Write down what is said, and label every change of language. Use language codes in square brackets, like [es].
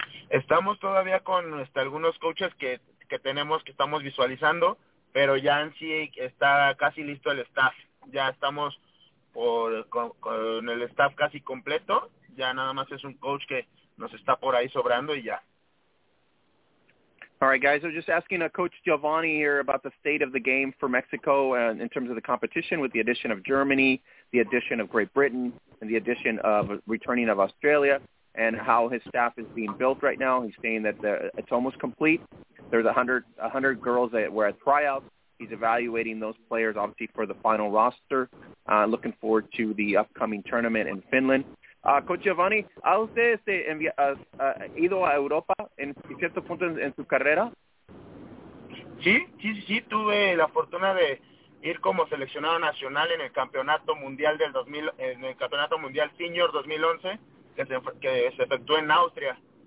[es] Estamos todavía con algunos coaches que tenemos que estamos visualizando, pero ya en sí está casi listo el staff. Ya estamos con el staff casi completo. Ya nada más es un coach que nos está por ahí sobrando y ya. [en] All right, guys. I was just asking Coach Giovanni here about the state of the game for Mexico in terms of the competition with the addition of Germany, the addition of Great Britain, and the addition of returning of Australia, and how his staff is being built right now. He's saying that it's almost complete. There's 100 girls that were at tryouts. He's evaluating those players, obviously, for the final roster. Looking forward to the upcoming tournament in Finland. [es] Coach Giovanni, ¿a usted se ido a Europa en cierto punto en su carrera? Sí, tuve la fortuna de ir como seleccionado nacional en el Campeonato Mundial en el Campeonato Mundial Senior 2011, que se efectuó en Austria.